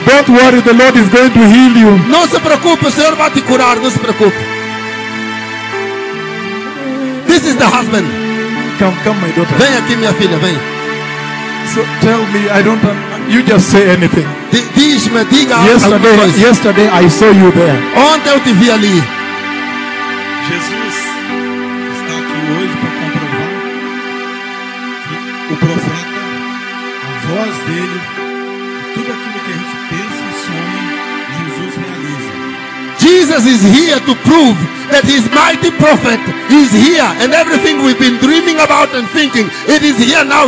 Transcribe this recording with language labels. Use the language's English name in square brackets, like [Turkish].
[English] Don't worry, the Lord is going to heal you. [Portuguese] Não se preocupe, o Senhor vai te curar. Não se preocupe. [English] This is the husband. Come, my daughter. [Portuguese] Vem aqui, minha filha, vem. [English] So tell me, I don't. You just say anything. [Portuguese] Diz-me, diga. [English] Yesterday I saw you there. [Portuguese] Ontem eu te vi ali. Jesus está aqui hoje para comprovar que o profeta, a voz dele, tudo aquilo que a gente pensa e sonha, Jesus realiza. [English] Jesus is here to prove that his mighty prophet is here, and everything we've been dreaming about and thinking, it is here now.